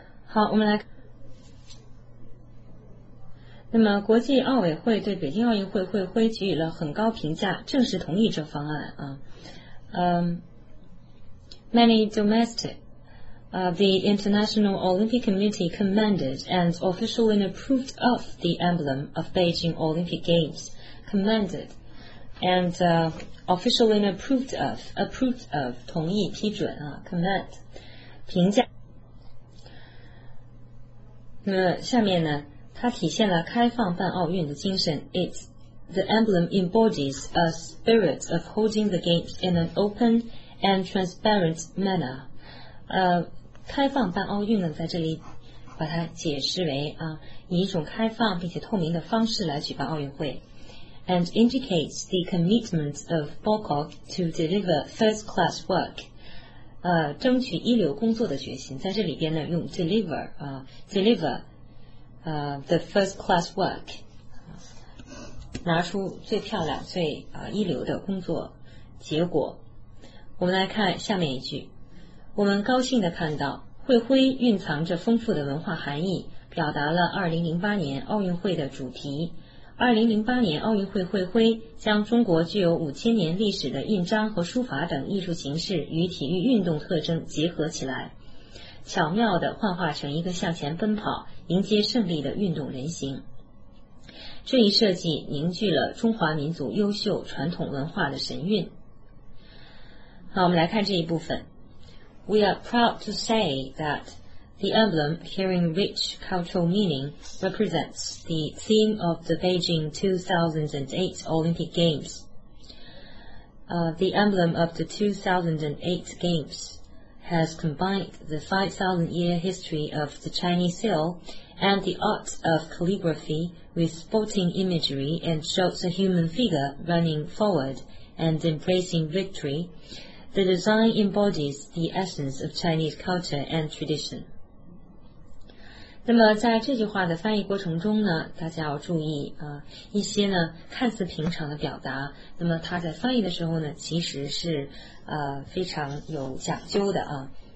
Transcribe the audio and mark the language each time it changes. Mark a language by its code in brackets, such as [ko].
[zh] 好，我们来看，那么国际奥委会对北京奥运会会徽给予了很高评价，正式同意这方案、 [en] The International Olympic Committee commanded and officially approved of the emblem of Beijing Olympic Games. Commanded and officially approved of, [zh] 同意批准啊 [en] ,command, 评价。 [zh] 那么下面呢，它体现了开放办奥运的精神。 [en] It's the emblem embodies a spirit of holding the games in an open and transparent manner. [zh] 开放办奥运呢，在这里把它解释为啊，以一种开放并且透明的方式来举办奥运会。 [en] And indicates the commitment of Bocock to deliver first-class work. [zh] 争取一流工作的决心，在这里边呢，用 deliver 啊 ， [en] deliver the first-class work， [zh] 拿出最漂亮、最一流的工作结果。我们来看下面一句：我们高兴地看到会徽蕴藏着丰富的文化含义，表达了2008年奥运会的主题。 2008年奥运会会徽将中国具有5000年历史的印章和书法等艺术形式与体育运动特征结合起来，巧妙地幻化成一个向前奔跑迎接胜利的运动人形。这一设计凝聚了中华民族优秀传统文化的神韵。好，我们来看这一部分。 [en] We are proud to say thatThe emblem, carrying rich cultural meaning, represents the theme of the Beijing 2008 Olympic Games. The emblem of the 2008 Games has combined the 5,000-year history of the Chinese seal and the art of calligraphy with sporting imagery and shows a human figure running forward and embracing victory. The design embodies the essence of Chinese culture and tradition. [zh] 那么在这句话的翻译过程中呢，大家要注意啊，一些呢看似平常的表达，那么它在翻译的时候呢，其实是非常有讲究的啊。